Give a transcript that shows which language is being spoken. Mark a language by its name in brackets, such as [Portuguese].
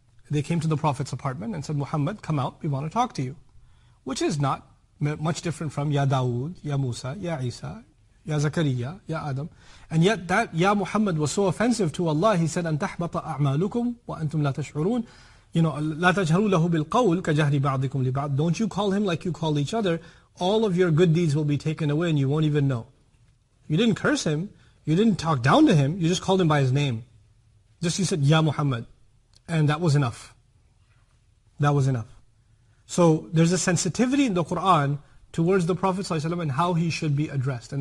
[English] They came to the Prophet's apartment and said, Muhammad, come out, we want to talk to you. Which is not much different from Ya Dawood, Ya Musa, Ya Isa, Ya Zakariya, Ya Adam. And yet that Ya Muhammad was so offensive to Allah, He said, [Arabic] أَنْتَحْبَطَ أَعْمَالُكُمْ وَأَنْتُمْ لَا تَشْعُرُونَ. [English] You know, [Arabic] لَا تَجْهَرُوا لَهُ بِالْقَوْلِ كَجَهْرِ بَعْضِكُمْ لِبَعْضٍ. [English] Don't you call him like you call each other. All of your good deeds will be taken away and you won't even know. You didn't curse him. You didn't talk down to him. You just called him by his name. Just you said, Ya Muhammad. And that was enough. That was enough. So there's a sensitivity in the Quran towards the Prophet ﷺ and how he should be addressed.